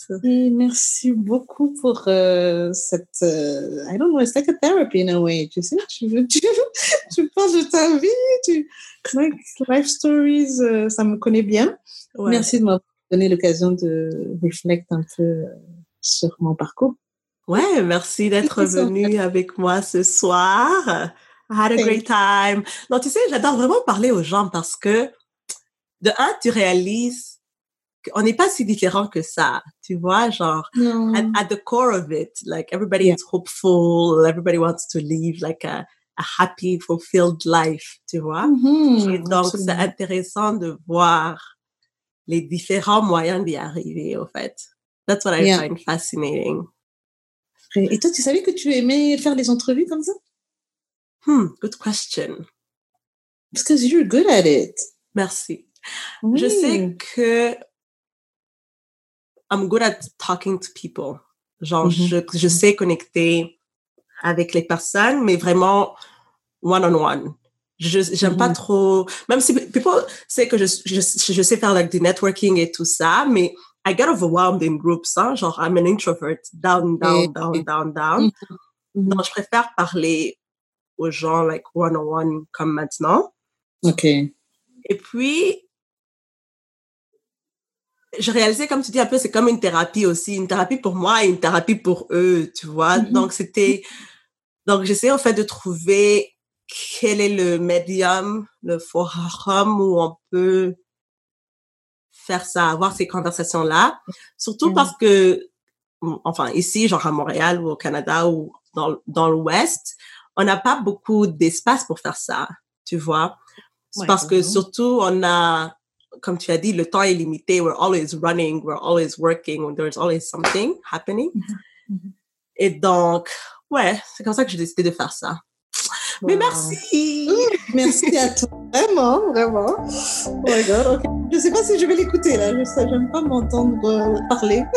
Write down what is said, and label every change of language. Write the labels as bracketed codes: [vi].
[fr] Merci beaucoup pour cette... [en] I don't know, it's like a therapy in a way. [fr] Tu sais, tu penses de ta vie, tu... [en] Like, life stories, [fr] ça me connaît bien. Ouais. Merci de m'avoir donné l'occasion de réfléchir un peu sur mon parcours. Ouais, merci d'être venue avec moi ce soir. [en] I had a great time. [fr] Non, tu sais, j'adore vraiment parler aux gens parce que, de un, tu réalises qu'on n'est pas si différent que ça. Tu vois, genre, [en] at the core of it, like, everybody is hopeful, everybody wants to live, like, a happy, fulfilled life, [fr] tu vois. Mm-hmm. Et donc, absolument. C'est intéressant de voir les différents moyens d'y arriver, au fait. [en] That's what I find fascinating. [fr] Et toi, tu savais que tu aimais faire des entrevues comme ça? [en] Good question. Because you're good at it. [fr] Merci. Oui. Je sais que [en] I'm good at talking to people. [fr] Genre, je sais connecter avec les personnes, mais vraiment [en] one-on-one. [fr] J'aime pas trop... Même si [en] people say [fr] que je sais faire [en] like, [fr] du networking et tout ça, mais [en] I get overwhelmed in groups. [fr] Hein? Genre, [en] I'm an introvert. Down. Mm-hmm. [fr] Donc, je préfère parler aux gens [en] like one-on-one [fr] comme maintenant. OK. Et puis... Je réalisais, comme tu dis un peu, c'est comme une thérapie aussi. Une thérapie pour moi et une thérapie pour eux, tu vois. Mm-hmm. Donc, c'était... Donc, j'essayais, en fait, de trouver quel est le médium, le forum où on peut faire ça, avoir ces conversations-là. Surtout parce que, enfin, ici, genre à Montréal ou au Canada ou dans l'Ouest, on n'a pas beaucoup d'espace pour faire ça, tu vois. Ouais, parce que, surtout, on a... Comme tu as dit, le temps est limité. [en] We're always running, we're always working, there's always something happening. [fr] Et donc, ouais, c'est comme ça que j'ai décidé de faire ça. [en] Wow. [fr] Mais merci! Merci à toi. Vraiment. Oh my God, okay. Je ne sais pas si je vais l'écouter, là. Je n'aime pas m'entendre parler.